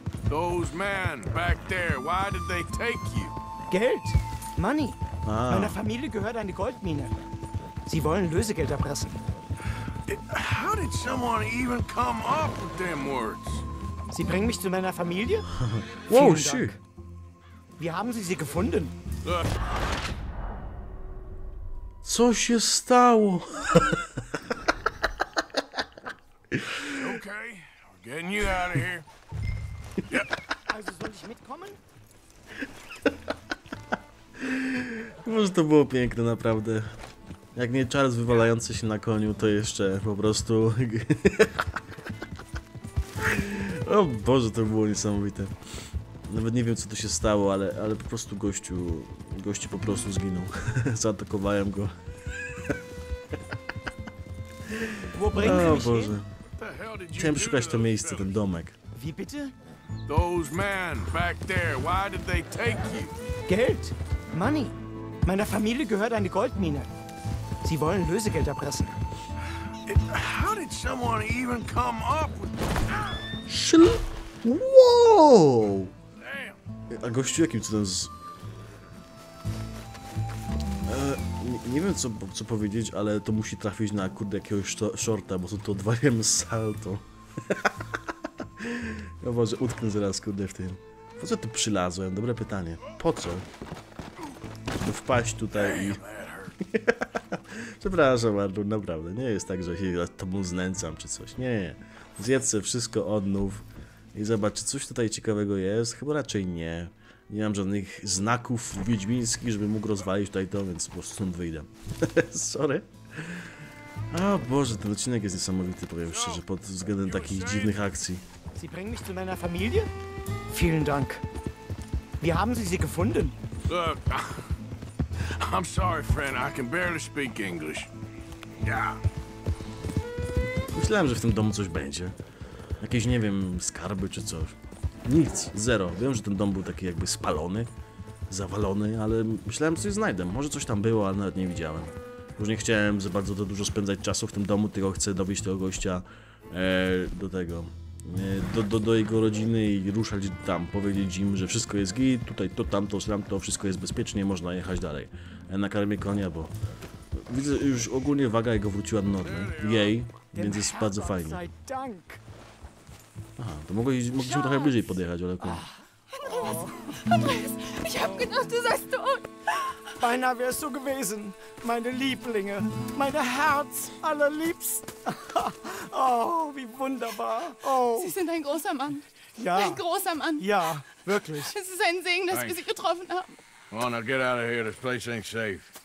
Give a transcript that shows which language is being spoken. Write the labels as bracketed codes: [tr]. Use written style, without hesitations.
[en] Those men back there, why did they take you? [de] Geld, [en] money. [de] Meiner Familie gehört eine Goldmine. Sie wollen Lösegeld erpressen. [en] How did someone even come up with them words? [de] Sie bringen mich zu meiner Familie? [en] Wow, shit. [de] Wie haben Sie sie gefunden? [pl] Co się stało? [en] Okay, we're getting you out of here. [de] Also soll ich mitkommen? [pl] Może to było piękne, naprawdę. Jak nie Charles wywalający się na koniu, to jeszcze po prostu... O Boże, to było niesamowite. Nawet nie wiem, co tu się stało, ale po prostu gościu po prostu zginął. Zaatakowałem go. O Boże. Chciałem szukać to miejsce, ten domek. [de] Wie bitte? [en] Those men back there, why did they take you? [de] Geld? [en] Money. [de] Meiner Familie gehört eine Goldmine. Sie wollen Lösegeld erpressen. [en] How did someone even come up with... [pl] Wow! A gościu jakim cudem z... nie wiem, co powiedzieć, ale to musi trafić na kurde jakiegoś shorta, bo to odwaliłem salto. No Boże, utknę zaraz kurde w tym. Po co tu przylazłem? Dobre pytanie. Po co? Żeby wpaść tutaj i... Przepraszam bardzo, naprawdę. Nie jest tak, że się nad tobą znęcam czy coś. Nie. Zjedz wszystko odnów. I zobacz, coś tutaj ciekawego jest? Chyba raczej nie. Nie mam żadnych znaków wiedźmińskich, żebym mógł rozwalić tutaj to, więc po prostu stąd wyjdę. Sorry. O Boże, ten odcinek jest niesamowity, powiem szczerze, pod względem takich dziwnych akcji. [de] Sie bringen mich zu meiner Familie? Vielen Dank. Wie haben Sie sie gefunden? [en] Look, I'm sorry, friend, I can barely speak English. Yeah. [pl] Myślałem, że w tym domu coś będzie. Jakieś, nie wiem, skarby czy coś. Nic, zero. Wiem, że ten dom był taki jakby spalony, zawalony, ale myślałem, że coś znajdę. Może coś tam było, ale nawet nie widziałem. Już nie chciałem za bardzo to dużo spędzać czasu w tym domu, tylko chcę dowieść tego gościa do tego, do jego rodziny i ruszać tam, powiedzieć im, że wszystko jest git, tutaj to, tamto, to wszystko jest bezpiecznie, można jechać dalej. Na karmię konia, bo widzę, już ogólnie waga jego wróciła do normy. Jej, więc jest bardzo fajnie. Aha, to mogliśmy trochę bliżej podjechać, ale kurde. [de] Andreas, ich hab genau, du seist tot. Beinahe wärst du gewesen, meine Lieblinge, mein Herz allerliebst. Oh, wie wunderbar. Oh. Sie sind ein großer Mann. Ja. Ein großer Mann. Ja, wirklich. Es ist ein Segen, dass wir Sie getroffen haben. [en] Come on, now get out of here, this place ain't safe.